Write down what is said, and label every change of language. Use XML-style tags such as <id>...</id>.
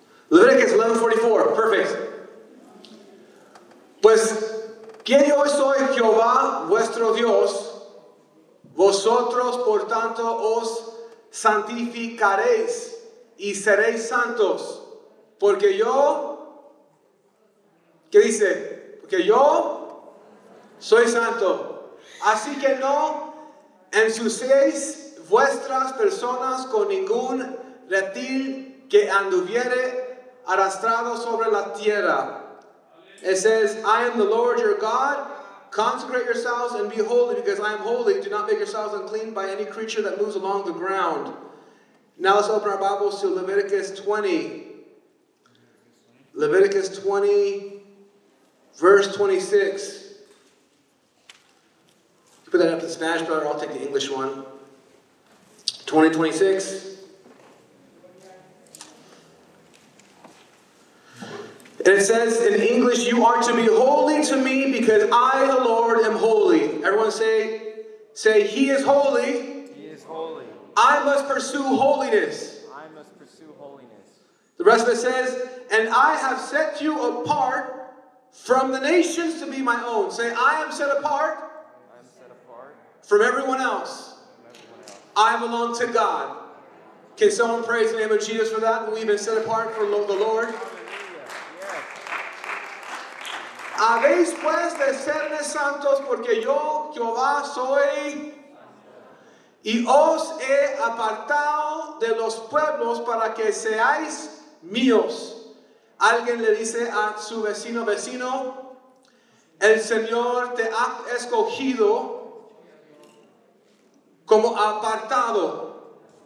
<es>Leviticus 11:44. Perfect. Pues, que yo soy Jehová vuestro Dios, vosotros por tanto os santificaréis y seréis santos, porque yo, ¿qué dice? Porque yo soy santo. Así que no ensuciéis vuestras personas con ningún reptil que anduviere arrastrado sobre la tierra.</es> <en>It says, I am the Lord your God. Consecrate yourselves and be holy because I am holy. Do not make yourselves unclean by any creature that moves along the ground. Now let's open our Bibles to Leviticus 20. Leviticus 20, verse 26. Put that up in Spanish, brother. I'll take the English one. 20:26. And it says in English, you are to be holy to me because I, the Lord, am holy. Everyone say, he is holy. He is holy. I must pursue holiness. I must pursue holiness. The rest of it says, and I have set you apart from the nations to be my own. Say, I am set apart. From everyone else. I belong to God. Can someone praise the name of Jesus for that? We've been set apart for the Lord.</en> <es>Habéis pues de serme santos porque yo, Jehová, soy. y os he apartado de los pueblos para que seáis míos. Alguien le dice a su vecino: vecino, el Señor te ha escogido como apartado.</es>